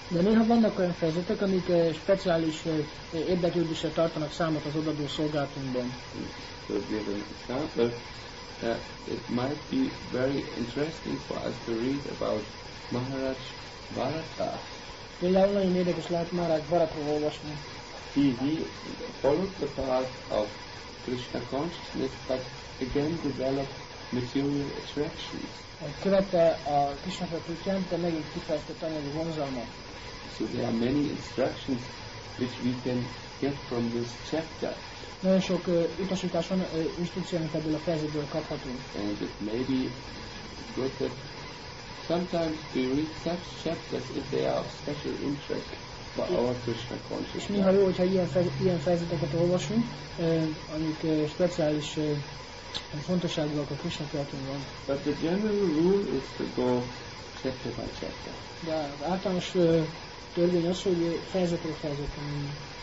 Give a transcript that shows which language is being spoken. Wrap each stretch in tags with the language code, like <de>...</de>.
<hu>De néha vannak olyan fejezetek, amik speciális érdeklődésre tartanak számot az odaadó szolgálatunkban.</hu> <en>So give an example. It might be very interesting for us to read about Maharaj Bharata.</en> <hu>Például nagyon érdekes lehet Maharaj Bharatról olvasni.</hu> <en>He followed the path of Krishna consciousness, but again developed material attractions.</en> <hu>Követte a Krishna tudatát, de megint kifejezett anyagi vonzalmat.</hu> <en>So there are many instructions which we can get from this chapter.</en> <hu>Nagyon sok utasítás van, instrukció, amit ebből a fejezetből kaphatunk.</hu> <en>And it may be good that sometimes we read such chapters if they are of special interest for our Krishna consciousness.</en> <hu>És néha jó, hogyha ilyen fejezeteket olvasunk, amik speciális fontosságúak a Krishna tudatunkban.</hu> <en>But the general rule is to go chapter by chapter.</en> <hu>De az általános törvény az, hogy fejezetről fejezetre menjünk.</hu>